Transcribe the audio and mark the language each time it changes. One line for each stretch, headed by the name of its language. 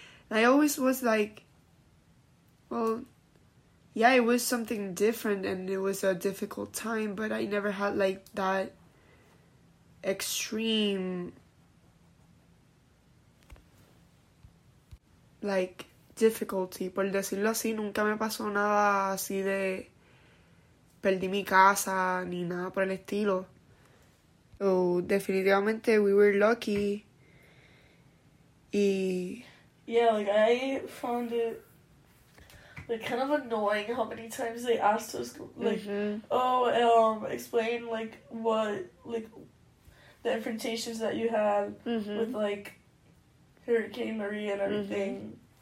English: And I always was like, well, yeah, it was something different and it was a difficult time, but I never had, like, that extreme, like, difficulty.
Spanish: Por decirlo así, nunca me pasó nada así de perdí mi casa ni nada por el estilo.
English: So, definitivamente, we were lucky. Yeah, like, I found it, like, kind of annoying how many times they asked us, like, explain, like, what, like, the infestations that you had with, like, Hurricane Maria and everything.